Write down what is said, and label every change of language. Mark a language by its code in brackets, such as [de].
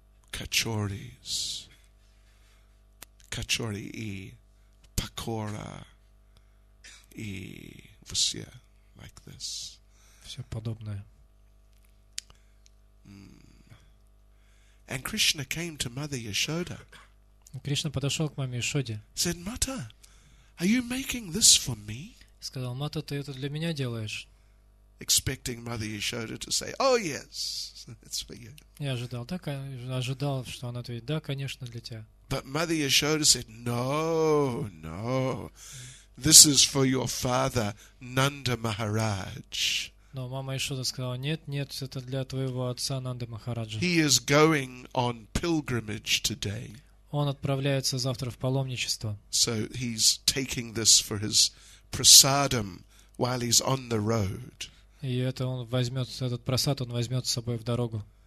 [ru] Kachoris. Kachori и pakora и все, [en] like this. [ru] Все подобное. [en] And Krishna came to Mother Yashoda. [ru] Кришна подошел к маме Яшоде. [en] Said, Mata, are you making this for me? [ru] Сказал, Мата, ты это для меня делаешь? [en] Expecting Mother Yashoda to say, "Oh yes, it's for you." [ru] Я ожидал, да, ожидал, что она ответит, да, конечно, для тебя. [en] But Mother Yashoda said, "No, no, this is for your father, Nanda Maharaj." [ru] Но мама Яшода сказала, нет, нет, это для твоего отца Нанды Махараджа. [en] He is going on pilgrimage today. [ru] Он отправляется завтра в паломничество. [en] So he's taking this for his prasadam while he's on the road. [ru] И это он возьмет, этот прасад он возьмет с собой в дорогу.